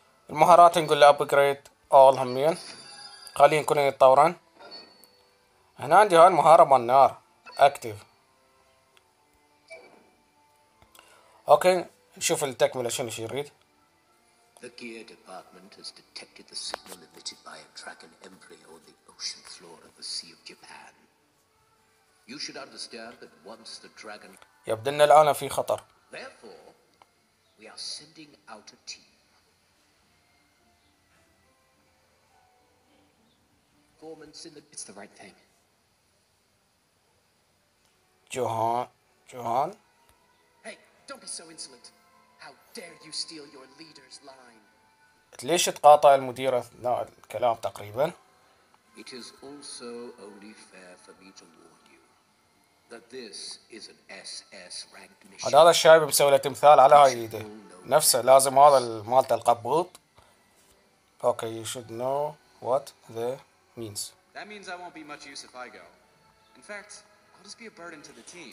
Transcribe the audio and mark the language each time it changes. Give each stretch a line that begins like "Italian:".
Arabic: المهارات نقول له ابجريد اول همين، خليه يكون يتطورن. هنا عندي هاي المهارة مال النار اكتف. اوكي نشوف التكملة شنو شي يريد.
English: The gear department has detected the signal emitted by a dragon embryo on the ocean floor of the Sea of Japan. You should understand that once the dragon...
Arabic: يبدو ان العالم في خطر.
English: Therefore, we are sending out a team. Performance in the... It's the right thing. Johan. Johan. Don't be so insolent. How dare you steal your leader's line?
Arabic: ليش تقاطع المدير أثناء الكلام تقريبا؟
English: It is also only fair for me to warn you that this is an SS ranked mission.
Arabic: هذا الشايب مسوي له تمثال على هاي ايده نفسه، لازم هذا مالت القبوط.
English: Okay, you should know what the means. That means I won't be much use if I go. In fact, I'll just be a burden to the team.